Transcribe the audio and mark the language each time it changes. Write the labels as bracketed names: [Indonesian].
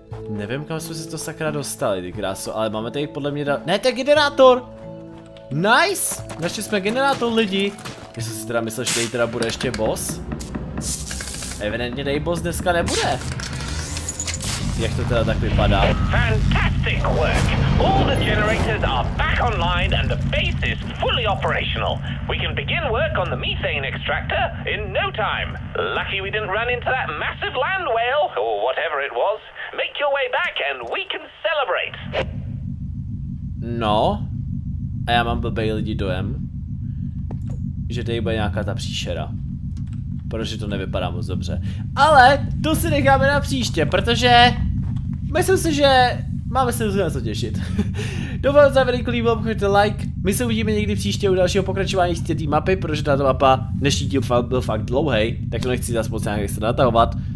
[Czech] Nevím, kam jsme se to sakra dostali, ty kráso, ale máme tady podle mě... Ne, to je generátor! Nice! Našli jsme generátor, lidi! Já jsem si teda myslel, že tady teda bude ještě boss. Evidentně tady boss dneska nebude. Jak to teda tak vypadá? [English] Fantastic work! All the generators are back online and the base is fully operational. We can begin work on the methane extractor in no time. Lucky we didn't run into that massive land whale, or whatever it was. Make your way back and we can celebrate. No. [Czech] A já mám blbej lidi dojem, že tady bude nějaká ta příšera. Protože to nevypadá moc dobře. Ale to si necháme na příště, protože myslím si, že máme se na co těšit. Doufám, že vám líbilo, pokud like. My se uvidíme někdy příště u dalšího pokračování z té mapy, protože tato mapa dnešní díl byl fakt dlouhej, tak to nechci zase moc nějak se natahovat.